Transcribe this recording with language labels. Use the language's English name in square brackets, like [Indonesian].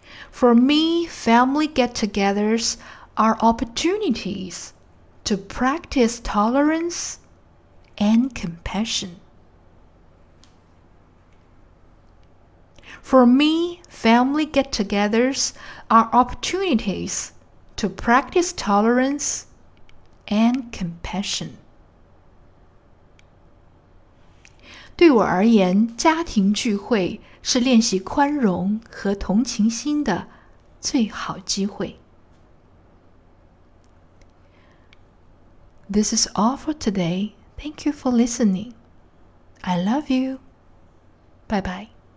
[English] For me, family get-togethers are opportunities to practice tolerance and compassion. For me, family get-togethers are opportunities. To practice tolerance and compassion. [Chinese] 对我而言，家庭聚会是练习宽容和同情心的最好机会。 [English] This is all for today. Thank you for listening. I love you. Bye bye.